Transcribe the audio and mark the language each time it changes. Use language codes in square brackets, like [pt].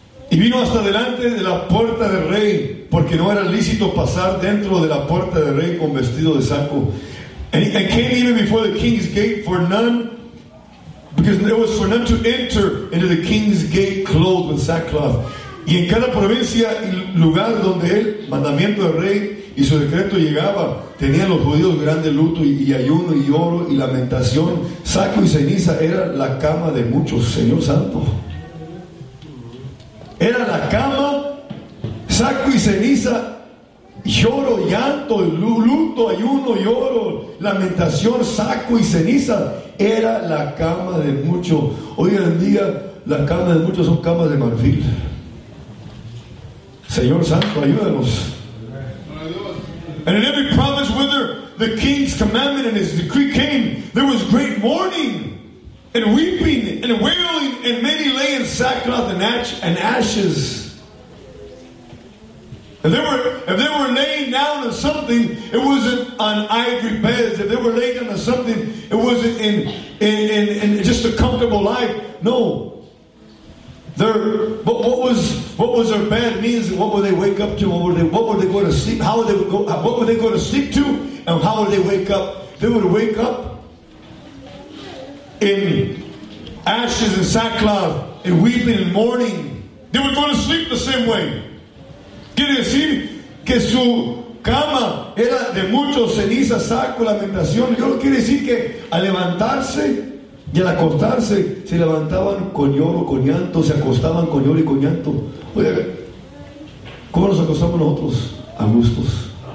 [es] Y vino hasta delante de la puerta del rey, porque no era lícito pasar dentro de la puerta del rey con vestido de saco. [en] And he came even before the king's gate for none, because there was for none to enter into the king's gate clothed with sackcloth. [es] Y en cada provincia y lugar donde él, mandamiento del rey y su decreto llegaba, tenían los judíos grande luto y ayuno y oro y lamentación. Saco y ceniza era la cama de muchos, Señor Santo. Era la cama, saco y ceniza. Lloro, llanto, luto, ayuno, lloro, lamentación, saco y ceniza. Era la cama de muchos. Hoy en día, las camas de muchos son camas de marfil. Señor Santo, ayúdanos. [en] And in every province whither the king's commandment and his decree came, there was great mourning and weeping and wailing, and many lay in sackcloth and ashes. If they were laying down on something, it wasn't on ivory beds. If they were laying down on something, it wasn't in just a comfortable life. No. What was their bed means? What would they wake up to? What would they go to sleep? How would they go? What would they go to sleep to? And how would they wake up? They would wake up in ashes and sackcloth, and weeping and mourning. They would go to sleep the same way. [es] Quiere decir que su cama era de mucho ceniza, saco, lamentación. Yo quiero decir que al levantarse y al acostarse, se levantaban con lloro, con llanto, se acostaban con lloro y con llanto. Oye, ¿cómo nos acostamos nosotros? A gustos.